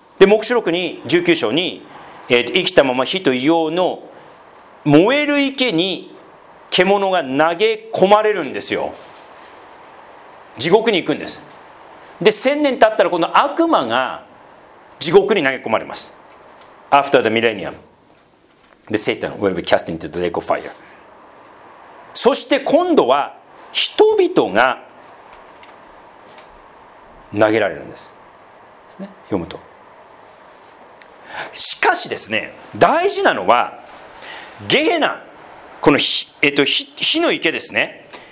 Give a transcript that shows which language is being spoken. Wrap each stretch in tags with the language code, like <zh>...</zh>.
<ja>で黙示録に19章に、生きたまま火と硫黄の燃える池に獣が投げ込まれるんですよ。地獄に行くんです。で千年経ったら、この悪魔が地獄に投げ込まれます。</ja> <en>After the millennium, the Satan will be cast into the lake of fire.</en> <ja>そして今度は人々が投げられるんです。読むと。しかしですね、大事なのはゲヘナ、この火の池ですね。</ja>